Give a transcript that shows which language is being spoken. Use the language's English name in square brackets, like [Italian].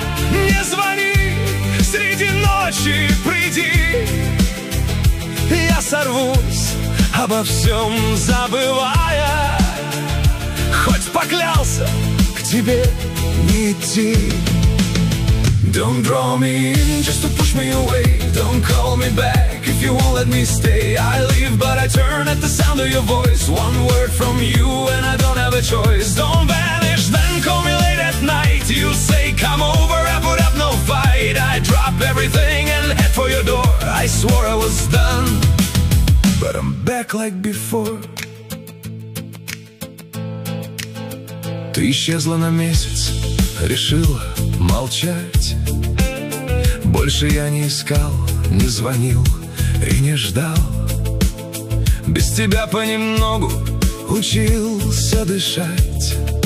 [Russian] Не звони среди ночи, приди. Я сорвусь, обо всем забывая. Хоть поклялся к тебе не идти. [English] Don't draw me in, just to push me away. Don't call me back, if you won't let me stay. I leave, but I turn at the sound of your voice. One word from you, and I don't have a choice. Don't vanish, then call me late at night. You say, come over, I put up no fight. I drop everything and head for your door. I swore I was done, but I'm back like before. [Russian] Ты исчезла на месяц, решила молчать. Больше я не искал, не звонил и не ждал. Без тебя понемногу учился дышать.